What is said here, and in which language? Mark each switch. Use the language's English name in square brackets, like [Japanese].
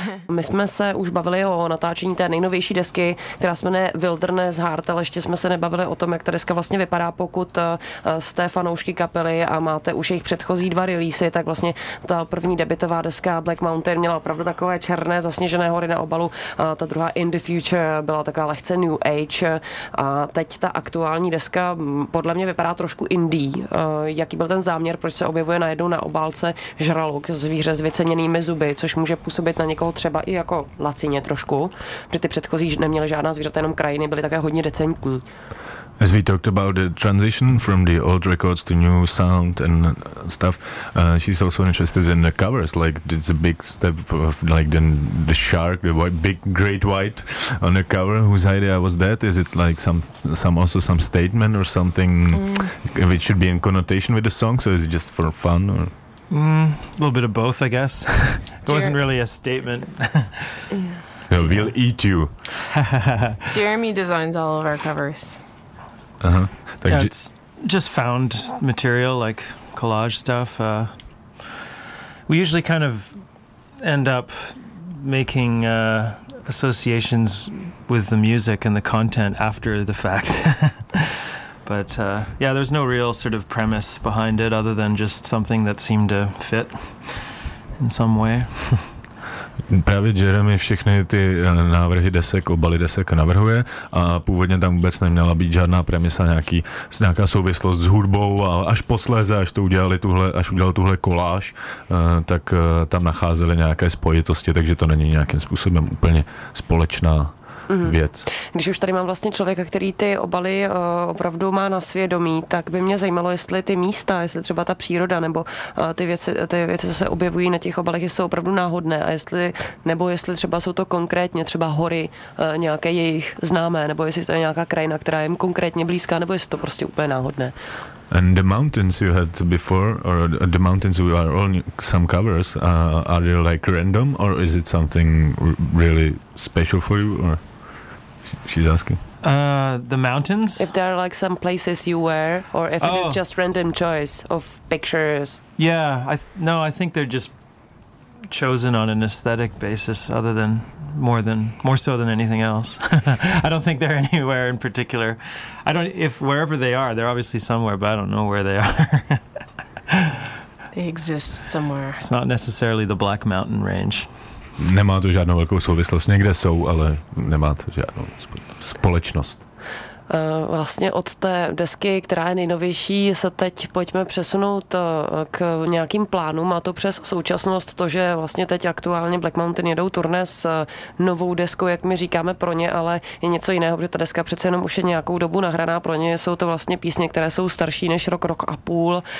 [Czech] My jsme se už bavili o natáčení té nejnovější desky, která se jmenuje Wilderness Heart, ale ještě jsme se nebavili o tom, jak ta deska vlastně vypadá, pokud jste fanoušky kapely a máte už jejich předchozí dva releasy, tak vlastně ta první debutová deska Black Mountain měla opravdu takové černé zasněžené hory na obalu, ta druhá In the Future byla taková lehce New Age a teď ta aktuální deska podle mě vypadá trošku indie. Jaký byl ten záměr, proč se objevuje najednou na obálce žraluk, zvíře s vyceněnými zuby, což může působit na někoho třeba i jako lacině trošku, protože ty předchozí neměly žádná zvířata, jenom krajiny, byly také hodně decentní. [English] As we talked about the transition from the old records to new sound and stuff, she's also interested in the covers. Like, it's a big step of, like, the shark, the white, big great white on the cover. Whose idea was that? Is it like some statement or something? Mm. It should be in connotation with the song, so is it just for fun or? A little bit of both, I guess. It wasn't really a statement. Yeah. No, we'll eat you. Jeremy designs all of our covers. Uh-huh. Like, yeah, it's just found material, like collage stuff. We usually kind of end up making associations with the music and the content after the fact. But yeah, there's no real sort of premise behind it other than just something that seemed to fit in some way. [Czech] Právě Jeremy všechny ty návrhy desek, obaly desek navrhuje a původně tam vůbec neměla být žádná premisa, nějaká souvislost s hudbou a až posléze, až udělali tuhle koláž, tak tam nacházeli nějaké spojitosti, takže to není nějakým způsobem úplně společná věc. Když už tady mám vlastně člověka, který ty obaly opravdu má na svědomí, tak by mě zajímalo, jestli ty místa, jestli třeba ta příroda nebo ty věci, co se objevují na těch obalech, jsou opravdu náhodné a jestli třeba jsou to konkrétně třeba hory nějaké jejich známé, nebo jestli to je nějaká krajina, která jim konkrétně blízká, nebo jestli to prostě úplně náhodné. [English] And the mountains you had before, or the mountains we are on some covers, are they like random, or is it something really special for you, or she's asking? The mountains? If there are like some places you were, or if it is just random choice of pictures. Yeah, I think they're just chosen on an aesthetic basis, more so than anything else. I don't think they're anywhere in particular. If wherever they are, they're obviously somewhere, but I don't know where they are. They exist somewhere. It's not necessarily the Black Mountain Range. [Czech] Nemá to žádnou velkou souvislost. Někde jsou, ale nemá to žádnou společnost. Vlastně od té desky, která je nejnovější, se teď pojďme přesunout k nějakým plánům, a to přes současnost, to, že vlastně teď aktuálně Black Mountain jedou turné s novou deskou, jak my říkáme pro ně, ale je něco jiného, protože ta deska přece jenom už je nějakou dobu nahraná pro ně, jsou to vlastně písně, které jsou starší než rok, rok a půl